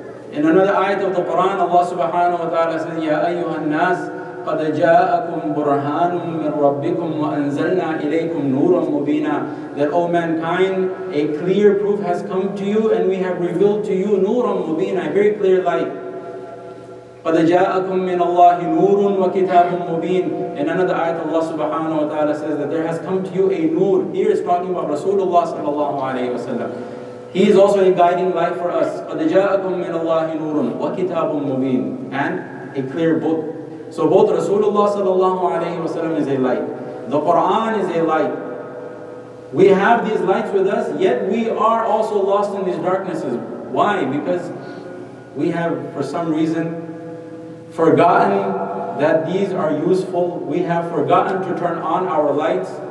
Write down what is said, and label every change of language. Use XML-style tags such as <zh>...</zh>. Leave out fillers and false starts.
<en>In another ayat of the Quran, Allah Subhanahu Wa Ta'ala says,</en> <ar>يَا أَيُّهَا النَّاسِ قَدَ جَاءَكُمْ بُرْهَانٌ مِّن رَبِّكُمْ وَأَنزَلْنَا إِلَيْكُمْ نُورًا مُبِينًا</ar> <en>That, O mankind, a clear proof has come to you and we have revealed to you</en> <ar>نُورًا مُبِينًا</ar> <en>A very clear light.</en> <ar>قَدَ جَاءَكُمْ مِّنَ اللَّهِ نُورٌ وَكِتَابٌ مُّبِينٌ</ar> <en>In another ayat, Allah subhanahu wa ta'ala says that there has come to you a nur. Here is talking about Rasulullah sallallahu alayhi wa sallam. He is also a guiding light for us.</en> <ar>قَدَ جَاءَكُمْ مِّنَ اللَّهِ نُورٌ وَكِتَابٌ مُّبِينٌ</ar> <en>And a clear book. So both Rasulullah sallallahu alayhi wa sallam is a light. The Qur'an is a light. We have these lights with us, yet we are also lost in these darknesses. Why? Because we have, for some reason, forgotten that these are useful, we have forgotten to turn on our lights.</en>